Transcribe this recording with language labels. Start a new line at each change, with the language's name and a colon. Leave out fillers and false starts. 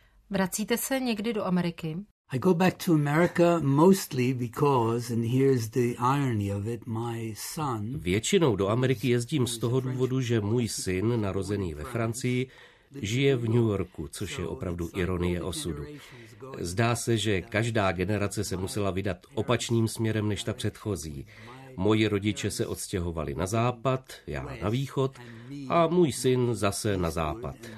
Czech: Vracíte se někdy do Ameriky?
English: I go back to America mostly because, and here's the irony of it, my son.
Czech: Většinou do Ameriky jezdím z toho důvodu, že můj syn, narozený ve Francii, žije v New Yorku, což je opravdu ironie osudu. Zdá se, že každá generace se musela vydat opačným směrem než ta předchozí. Moji rodiče se odstěhovali na západ, já na východ a můj syn zase na západ.